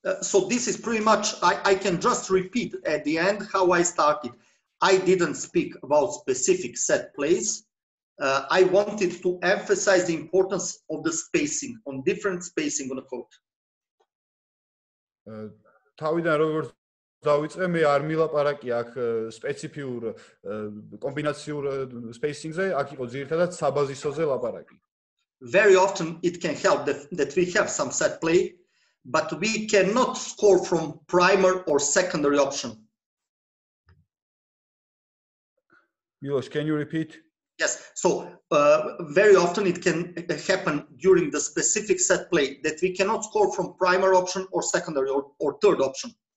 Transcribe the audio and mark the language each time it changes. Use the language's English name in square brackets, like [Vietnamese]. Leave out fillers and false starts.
[English] So this is pretty much I can just repeat at the end how I started. I didn't speak about specific set plays. I wanted to emphasize the importance of the spacing on different spacing on the court. [Georgian] თავიდან როგორც დავიწყე მე არ მილაპარაკი აქ სპეციფიურ კომბინაციურ spacing-ზე აქ იყო ძირითადად საბაზისოზე ლაპარაკი [English] Very often it can help that we have some set play but we cannot score from primary or secondary option Milos can you repeat Yes so very often it can happen during the specific set play that we cannot score from primary option or secondary or third option